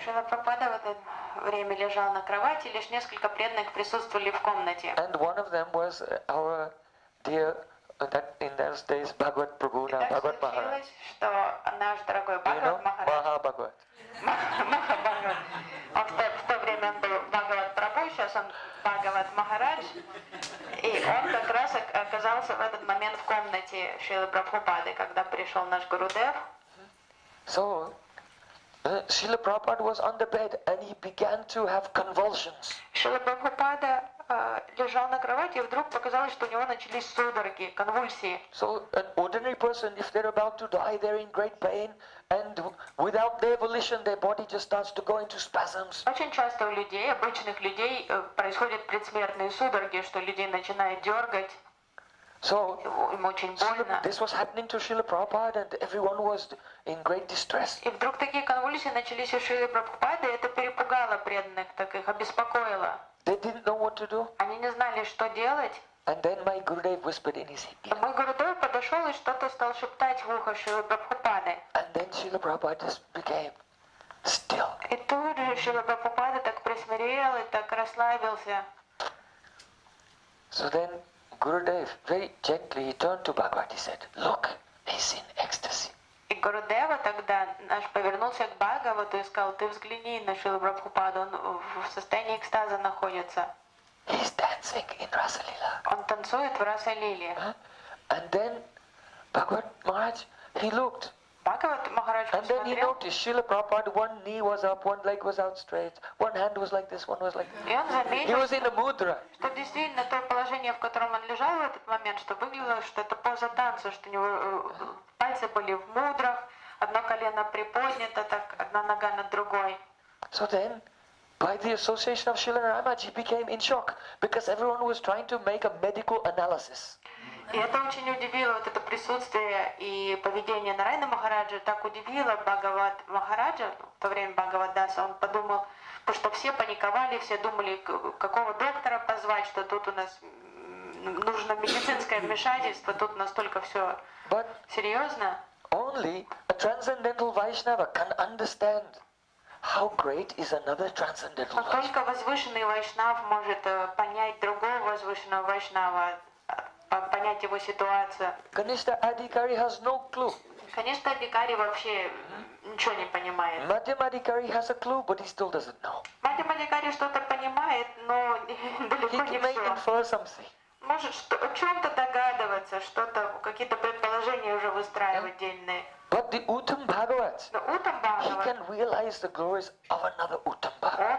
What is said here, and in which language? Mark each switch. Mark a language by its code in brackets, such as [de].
[ru] Шрила Прабхупада в это время лежал на кровати, лишь несколько преданных присутствовали в комнате. [en] And one of them was our dear, that in those days, Bhagavat Prabhu, now Bhagavat Maharaj. [ru] Что наш дорогой Бхагавад Махарадж. Маха Бхагавад. Маха Бхагавад. Он был Бхагават Прабху, сейчас он Бхагават Махарадж. И он как раз оказался в этот момент в комнате Шрилы Прабхупады, когда пришел наш Гурудев. [en] So, [ru] Шрила Прабхупада [en] was on the bed and he began to have convulsions. [ru] Шрила Прабхупада лежал на кровати, и вдруг показалось, что у него начались судороги, конвульсии. [en] So, an ordinary person, if they're about to die, they're in great pain, and without their volition, their body just starts to go into spasms. [ru] Очень часто у людей, обычных людей, происходят предсмертные судороги, что людей начинает дергать. [en] So, [ru] им очень больно. [en] This was happening to Srila Prabhupada, and everyone was in great distress. [ru] И вдруг такие конвульсии начались у Шрилы Прабхупады, и это перепугало преданных, так их обеспокоило. [en] They didn't know what to do. [ru] Они не знали, что делать. [en] And then my Gurudev whispered in his ear. [ru] Мой Гурудев подошел и что-то стал шептать в ухо Шрилы Прабхупады. [en] And then Srila Prabhupada just became still. [ru] И тут же Шрила Прабхупада так присмирел и так расслабился. [en] So then Gurudev very gently he turned to Bhagavat. He said, "Look, he's in ecstasy." [ru] И Гурудева тогда наш повернулся к Бхагавату и сказал, ты взгляни на Шрилу Прабхупаду, он в состоянии экстаза находится. [en] He's dancing in Rasa Lila. [ru] Он танцует в Раса Лиле. [en] And then Bhagavat Maharaj, he looked. Bhagavat Maharaj and then he noticed Srila Prabhupada, one knee was up, one leg was outstretched, one hand was like this, one was like this. [ru] И он заметил, [en] he was in a mudra. [ru] Что действительно то положение, в котором он лежал в этот момент, что выглядело, что это поза танца, что у него пальцы были в мудрах, одно колено приподнято, так одна нога над другой. [en] So then, by the association of Srila Ramaji, he became in shock, because everyone was trying to make a medical analysis. [ru] И это очень удивило, вот это присутствие и поведение Нарайны Махараджа, так удивило Бхагават Махараджа, в то время Бхагават Даса, он подумал, потому что все паниковали, все думали, какого доктора позвать, что тут у нас нужно медицинское вмешательство, тут настолько все серьезно. [en] Only a transcendental Vaishnava can understand how great is another transcendental Vaishnava. [ru] Только возвышенный Вайшнав может понять другого возвышенного Вайшнава, понять его ситуацию. [en] Kanishtha Adhikari has no clue. [ru] Kanishtha Adhikari вообще ничего не понимает. [en] Madhyam Adhikari has a clue, but he still doesn't know. [ru] Madhyam Adhikari что-то понимает, но далеко не все. [en] He can infer something. [ru] Может о чем-то догадываться, что-то, какие-то предположения уже выстраивать дельные. [en] But the Uttam Bhagavat, he can realize the glories of another Uttam Bhagavat.